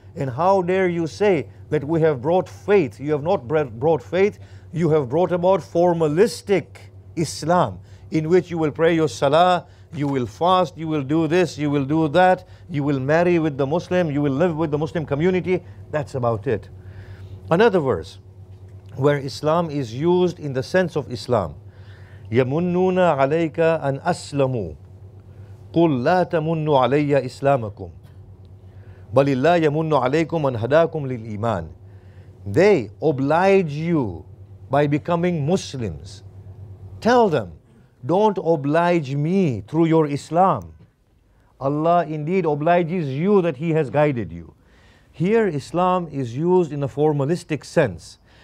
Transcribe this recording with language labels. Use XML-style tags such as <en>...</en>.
<en>And how dare you say that we have brought faith? You have not brought faith. You have brought about formalistic Islam, in which you will pray your salah, you will fast, you will do this, you will do that, you will marry with the Muslim, you will live with the Muslim community. That's about it. Another verse where Islam is used in the sense of Islam,</en> <ar>يَمُنُّونَ عَلَيْكَ أَنْ أَسْلَمُوا قُلْ لَا تَمُنُّ عَلَيَّ إِسْلَامَكُمْ بَلِ اللَّهِ يَمُنُّ عَلَيْكُمْ أَنْ هَدَاكُمْ لِلْإِيمَانِ.</ar> <en>they oblige you by becoming Muslims. Tell them, don't oblige me through your Islam. Allah indeed obliges you that He has guided you. Here, Islam is used in a formalistic sense.</en>